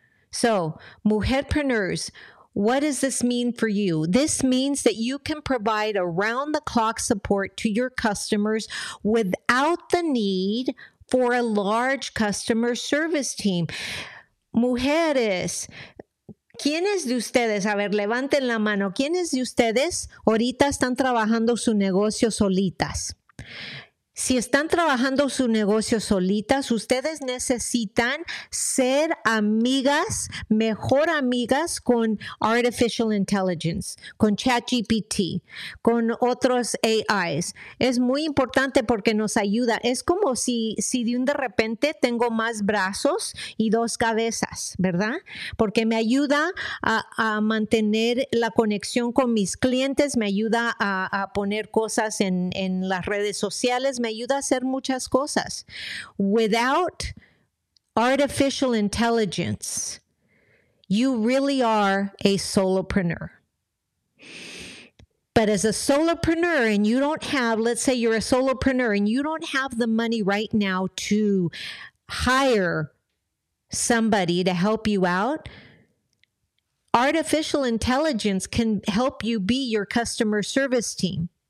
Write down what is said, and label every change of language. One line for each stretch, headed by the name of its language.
English: So, mujerpreneurs, what does this mean for you? This means that you can provide around-the-clock support to your customers without the need for a large customer service team.
Spanish: Mujeres, ¿quiénes de ustedes? A ver, levanten la mano. ¿Quiénes de ustedes ahorita están trabajando su negocio solitas? Si están trabajando su negocio solitas, ustedes necesitan ser amigas, mejor amigas con artificial intelligence, con ChatGPT, con otros AIs. Es muy importante porque nos ayuda. Es como si de un de repente tengo más brazos y dos cabezas, ¿verdad? Porque me ayuda a mantener la conexión con mis clientes, me ayuda a poner cosas en las redes sociales, me ayuda a hacer muchas cosas.
English: Without artificial intelligence, you really are a solopreneur. But as a solopreneur, and you don't have, let's say you're a solopreneur and you don't have the money right now to hire somebody to help you out, artificial intelligence can help you be your customer service team.